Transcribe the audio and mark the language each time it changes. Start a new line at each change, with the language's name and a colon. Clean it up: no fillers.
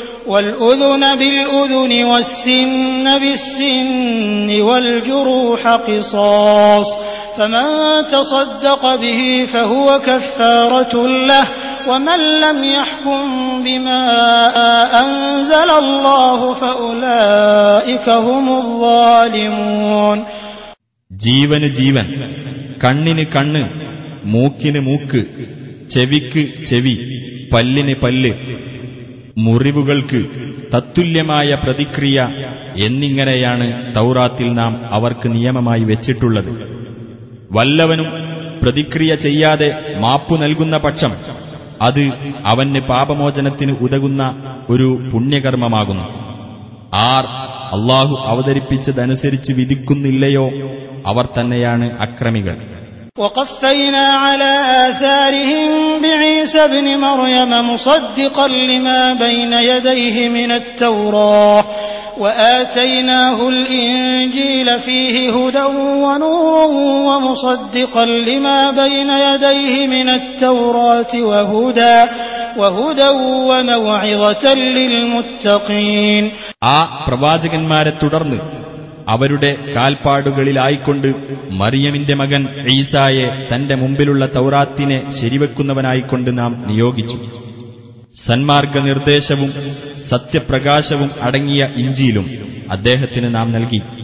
Arabic: والأذن بالأذن والسن بالسن والجروح قصاص فمن تصدق به فهو كفارة له ومن لم يحكم بما أنزل الله فأولئك هم الظالمون.
Malayalam: ജീവന് ജീവൻ, കണ്ണിന് കണ്ണ്, മൂക്കിന് മൂക്ക്, ചെവിക്ക് ചെവി, പല്ലിന് പല്ല്, മുറിവുകൾക്ക് തത്തുല്യമായ പ്രതിക്രിയ എന്നിങ്ങനെയാണ് തൗറാത്തിൽ നാം അവർക്ക് നിയമമായി വെച്ചിട്ടുള്ളത്. വല്ലവനും പ്രതിക്രിയ ചെയ്യാതെ മാപ്പു നൽകുന്ന പക്ഷം അത് അവന് പാപമോചനത്തിന് ഉതകുന്ന ഒരു പുണ്യകർമ്മമാകുന്നു. ആർ അള്ളാഹു അവതരിപ്പിച്ചതനുസരിച്ച് വിധിക്കുന്നില്ലയോ? അവർ തന്നെയാണ് അക്രമികൾ.
Arabic: وقفينا على آثارهم بعيسى ابن مريم مصدقا لما بين يديه من التوراة وآتيناه الإنجيل فيه هدى ونور ومصدقا لما بين يديه من التوراة وهدى وموعظة للمتقين.
Malayalam: പ്രവാചകന്മാരെ തുടർന്ന് അവരുടെ കാൽപ്പാടുകളിലായിക്കൊണ്ട് മറിയമിന്റെ മകൻ ഈസായെ തന്റെ മുമ്പിലുള്ള തൗറാത്തിനെ ശരിവെക്കുന്നവനായിക്കൊണ്ട് നാം നിയോഗിച്ചു. സന്മാർഗ നിർദ്ദേശവും സത്യപ്രകാശവും അടങ്ങിയ ഇഞ്ചിയിലും അദ്ദേഹത്തിന് നാം നൽകി.